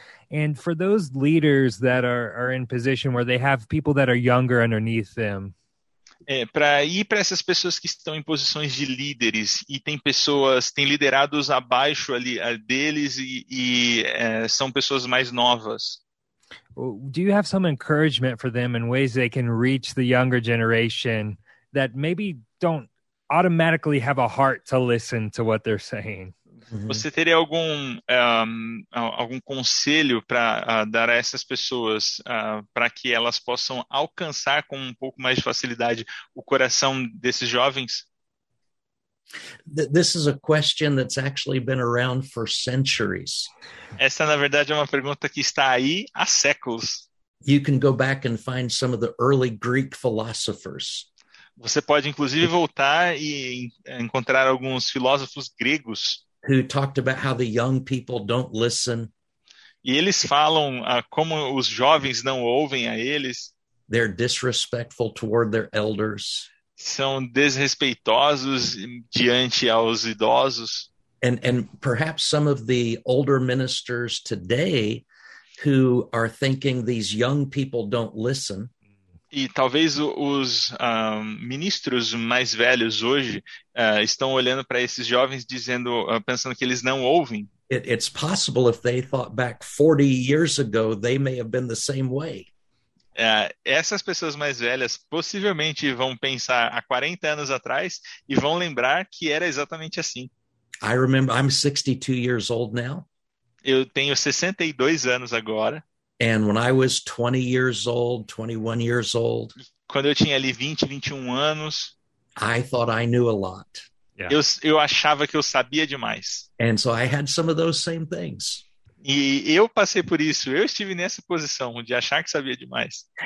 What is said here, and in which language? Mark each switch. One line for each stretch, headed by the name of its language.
English: And for those leaders that are in position where they have people that are younger underneath them,
Portuguese: Para essas pessoas que estão em posições de líderes e tem pessoas, tem liderados abaixo ali deles e são pessoas mais novas.
English: Do you have some encouragement for them in ways they can reach the younger generation that maybe don't automatically have a heart to listen to what they're saying?
Portuguese: Você teria algum conselho para dar a essas pessoas para que elas possam alcançar com um pouco mais de facilidade o coração desses jovens?
English: This is a question that's actually been around for centuries.
Portuguese: Essa, na verdade, é uma pergunta que está aí há séculos.
English: You can go back and find some of the early Greek philosophers.
Portuguese: Você pode, inclusive, voltar e encontrar alguns filósofos gregos.
English: Who talked about how the young people don't listen.
Portuguese: E eles falam como os jovens não ouvem a eles.
English: They're disrespectful toward their elders.
Portuguese: São desrespeitosos diante aos idosos.
English: And perhaps some of the older ministers today who are thinking these young people don't listen.
Portuguese: E talvez os ministros mais velhos hoje estão olhando para esses jovens dizendo, pensando que eles não ouvem.
English: It's possible if they thought back 40 years ago, they may have been the same way.
Portuguese: Essas pessoas mais velhas possivelmente vão pensar há 40 anos atrás e vão lembrar que era exatamente assim.
English: I remember, I'm 62 years old now.
Portuguese: Eu tenho 62 anos agora.
English: And when I was 20 years old, 21 years old,
Portuguese: quando eu tinha ali 20, 21 anos,
English: I thought I knew a lot. Yeah.
Portuguese: Eu achava que eu sabia demais.
English: And so I had some of those same things.
Portuguese: E eu passei por isso, eu estive nessa posição de achar que sabia demais.